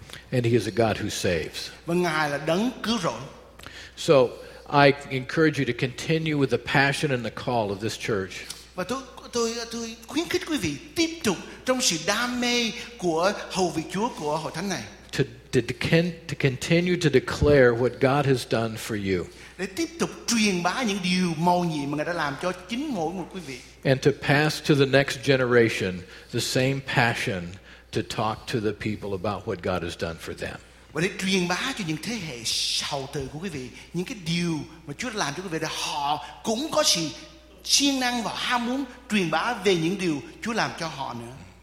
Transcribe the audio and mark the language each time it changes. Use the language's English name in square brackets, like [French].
[English] And he is a God who saves. [Vietnamese] Và Ngài là đấng cứu rỗi. [English] So I encourage you to continue with the passion and the call of this church. [Vietnamese] Và tôi khuyến khích quý vị tiếp tục trong sự đam mê của hầu việc Chúa của hội thánh này. [English] To continue to declare what God has done for you. [Vietnamese] Để tiếp tục truyền bá những điều mầu nhiệm mà Ngài đã làm cho chính mỗi một quý vị. [English] And to pass to the next generation the same passion to talk to the people about what God has done for them. [Vietnamese] Và để truyền bá cho những thế hệ sau từ của quý vị những cái điều mà Chúa đã làm cho quý vị để họ cũng có sự siêng năng và ham muốn truyền bá về những điều Chúa làm cho họ nữa.